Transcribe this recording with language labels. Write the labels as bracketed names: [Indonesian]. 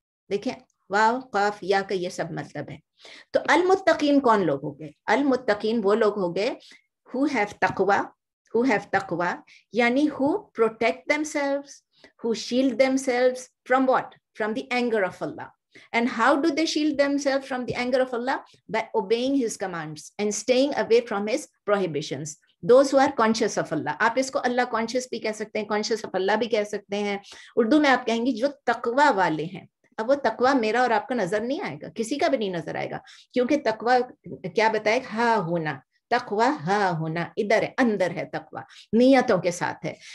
[Hindi] देखें वाव काफ या का ये सब मतलब है. तो अल मुत्तकीन कौन लोग हो गए, अल मुत्तकीन वो लोग हो गए [English] Who have तक्वा, who have तक्वा, यानी who protect themselves, who shield themselves from what, from the anger of Allah. And how do they shield themselves from the anger of Allah? By obeying His commands and staying away from His prohibitions. Those who are conscious of Allah. [Hindi] आप इसको अल्लाह conscious भी कह सकते हैं, [English] conscious of Allah [Hindi] भी कह सकते हैं. उर्दू में आप कहेंगे जो तकवा वाले हैं. अब वो तकवा मेरा और आपका नजर नहीं आएगा, किसी का भी नहीं नजर आएगा, क्योंकि तकवा क्या बताए, हा होना, तकवा हा होना, इधर है, अंदर है तकवा, नियतों के साथ है.